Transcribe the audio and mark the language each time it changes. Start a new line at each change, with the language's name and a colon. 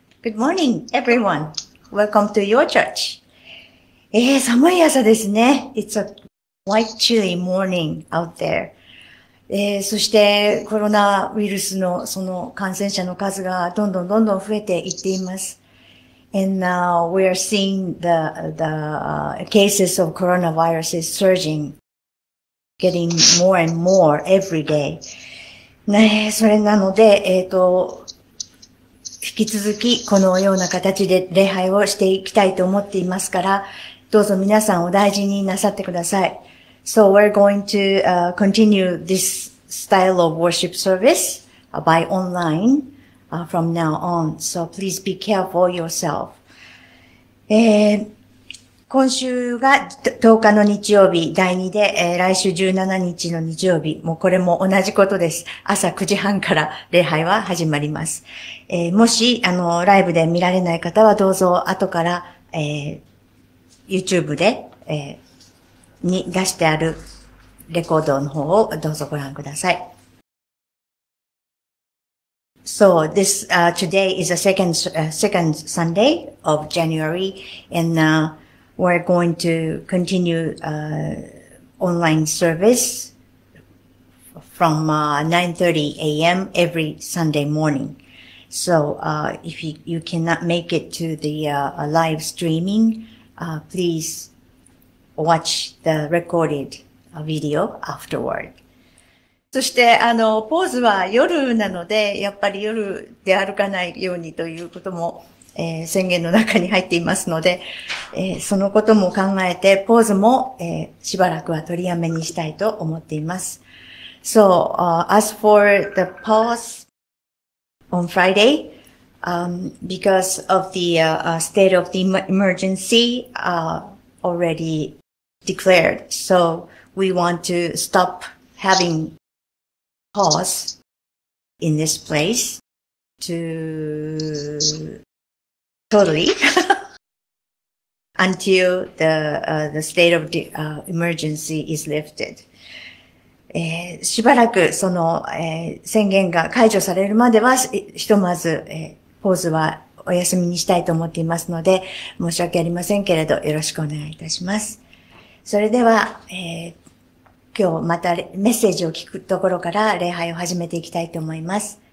English: Good morning, everyone. Welcome to your church.
Japanese: 寒い朝ですね。
English: It's a quite chilly morning out there.
Japanese: そして、コロナウイルスのその感染者の数がどんどんどんどん増えていっています。
English: And now we are seeing the cases of coronavirus surging, getting more and more every day.
Japanese: ねえ、それなので、引き続きこのような形で礼拝をしていきたいと思っていますから、どうぞ皆さんお大事になさってください。
English: So we're going to, continue this style of worship service, by online, from now on. So please be careful yourself.
Japanese: 今週が10日の日曜日、第2で、来週17日の日曜日、もうこれも同じことです。朝9時半から礼拝は始まります。もし、ライブで見られない方は、どうぞ後から、YouTube で、に出してあるレコードの方をどうぞご覧ください。
English: So this, today is the second Sunday of January, and we're going to continue online service from 9:30 a.m. every Sunday morning. So if you cannot make it to the live streaming, please watch the recorded video afterward.
Japanese: そして、ポーズは夜なので、やっぱり夜で歩かないようにということも、宣言の中に入っていますので、そのことも考えて、ポーズも、しばらくは取りやめにしたいと思っています。
English: So, as for the pause on Friday, because of the state of the emergency already declared, so we want to stop having pause in this place to totally until the state of the emergency is lifted.
Japanese: しばらくその、宣言が解除されるまでは、ひとまず、ポーズはお休みにしたいと思っていますので、申し訳ありませんけれど、よろしくお願いいたします。それでは、今日またメッセージを聞くところから礼拝を始めていきたいと思います。